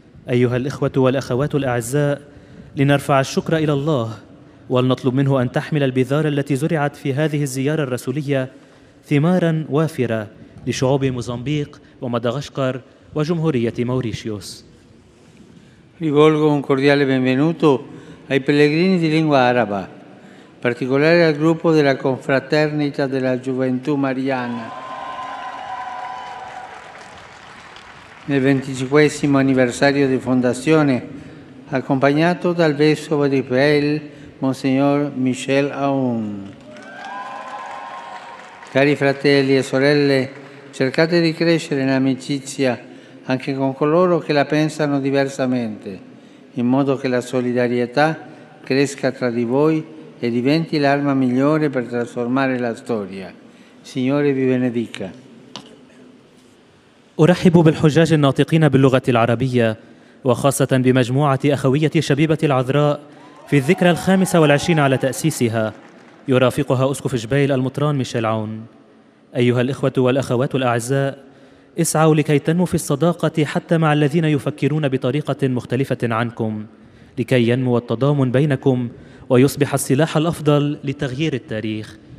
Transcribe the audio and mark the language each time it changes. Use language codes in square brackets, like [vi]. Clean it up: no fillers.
[ar] أيها الإخوة والأخوات الأعزاء، لنرفع الشكر إلى الله ولنطلب منه أن تحمل البذار التي زرعت في هذه الزيارة الرسولية ثماراً وافرة لشعوب موزمبيق ومدغشقر وجمهورية موريشيوس. [it] Rivolgo un cordiale benvenuto ai pellegrini di lingua araba, particolare al gruppo della confraternita della gioventù mariana. Nel 25° anniversario di fondazione, accompagnato dal vescovo di Peel, Monsignor Michel Aoun. Cari fratelli e sorelle, cercate di crescere in amicizia anche con coloro che la pensano diversamente, in modo che la solidarietà cresca tra di voi e diventi l'arma migliore per trasformare la storia. Signore vi benedica. [ar] أرحب بالحجاج الناطقين باللغة العربية وخاصة بمجموعة أخوية شبيبة العذراء في الذكرى 25 على تأسيسها، يرافقها أسقف جبيل المطران ميشيل عون. أيها الإخوة والأخوات الأعزاء، اسعوا لكي تنمو في الصداقة حتى مع الذين يفكرون بطريقة مختلفة عنكم، لكي ينمو التضامن بينكم ويصبح السلاح الأفضل لتغيير التاريخ.